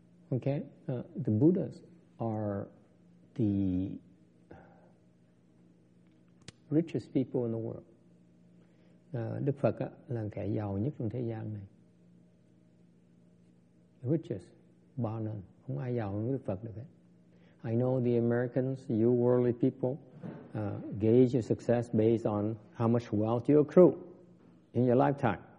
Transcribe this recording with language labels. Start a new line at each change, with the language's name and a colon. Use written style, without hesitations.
English: Okay, the Buddhas are the richest people in the world.
Vietnamese: Đức Phật á, là kẻ giàu nhất trong thế gian này.
English: Richest, bar none.
Vietnamese: Không ai giàu hơn Đức Phật được hết.
English: I know the Americans, you worldly people, gauge your success based on how much wealth you accrue in your lifetime.